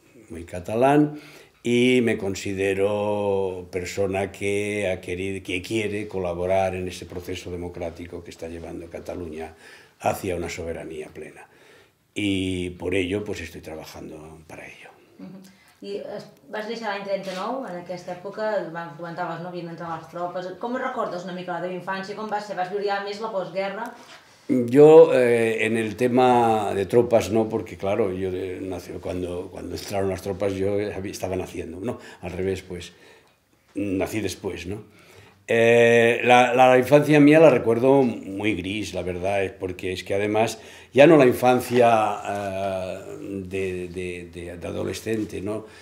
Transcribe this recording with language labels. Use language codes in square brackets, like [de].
[es] Muy catalán y me considero persona que ha querido, que quiere colaborar en ese proceso democrático que está llevando Cataluña hacia una soberanía plena. Y por ello, pues estoy trabajando para ello. Uh-huh. [ca] I vas néixer l'any 39, en aquesta època, van comentaves, no? Havien entrat les tropes. Com recordes una mica la teva infància? Com va ser? Vas viure ja més la postguerra? [es] Yo en el tema de tropas no, porque claro, yo nací cuando entraron las tropas, yo estaba naciendo, no, al revés, pues nací después, ¿no? La infancia mía la recuerdo muy gris, la verdad, porque es que además ya no la infancia de adolescente, ¿no?